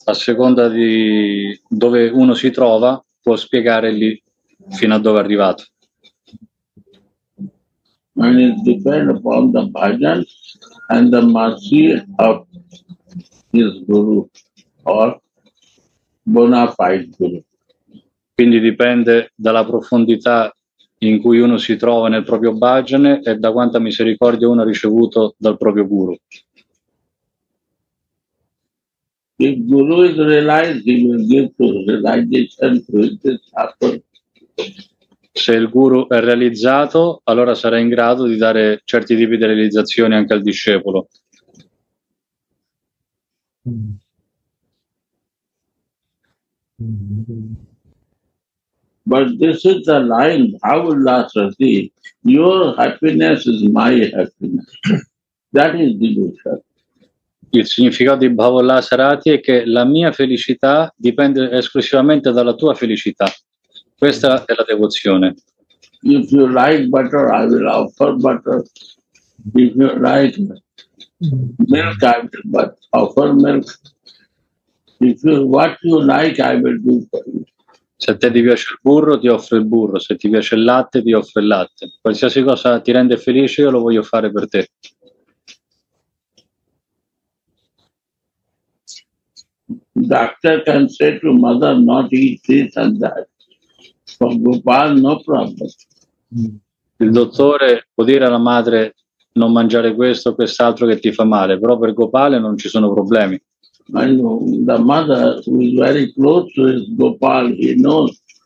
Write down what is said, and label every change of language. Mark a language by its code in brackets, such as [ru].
[it] A seconda di dove uno si trova, può spiegare lì fino a dove è arrivato. [en] And it depends upon the bhajan and the mercy of his guru or bona fide guru. [it] Quindi dipende dalla profondità in cui uno si trova nel proprio bhajan e da quanta misericordia uno ha ricevuto dal proprio guru. [en] If guru is realized, he will give to realization to his disciple. [it] Se il guru è realizzato, allora sarà in grado di dare certi tipi di realizzazioni anche al discepolo. [en] But this is the line, Bhavulas Rati, your happiness is my happiness. That is delusion. [it] Il significato di Bhavulas Rati è che la mia felicità dipende esclusivamente dalla tua felicità. Questa è la devozione. [en] If you like butter, I will offer butter. If you like milk, I will offer milk. If you, what you like, I will do for you. [it] Se a te ti piace il burro, ti offro il burro. Se ti piace il latte, ti offro il latte. Qualsiasi cosa ti rende felice, io lo voglio fare per te. [en] Doctor can say to mother, not eat this and that. For Gopal, no problem. [it] Il dottore può dire alla madre non mangiare questo o quest'altro che ti fa male, però per Gopal non ci sono problemi. [en] I know the mother who is very close to his Gopal, he knows.